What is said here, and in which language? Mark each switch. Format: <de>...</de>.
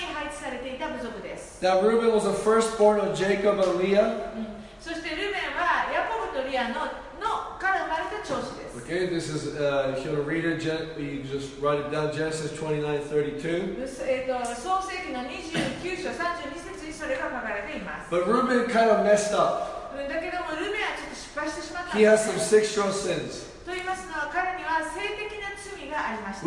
<ja>南側に配置されていた部族です。</ja> <en>Jacob and Leah.</en> <ja>そしてルベンはヤコブとリアのから生まれた長子です。</ja> <en>Okay, this is if you read it, you just write it down. Genesis 29:32.</en> <ja>創世記の29章32節にそれが書かれています。</ja> <en>But Reuben kind of messed up.</en> <ja>だけどもルベンはちょっと失敗してしまった。</ja> <en>He has some sexual sins.</en> <ja>と言いますのは彼には性的な罪がありました。</ja>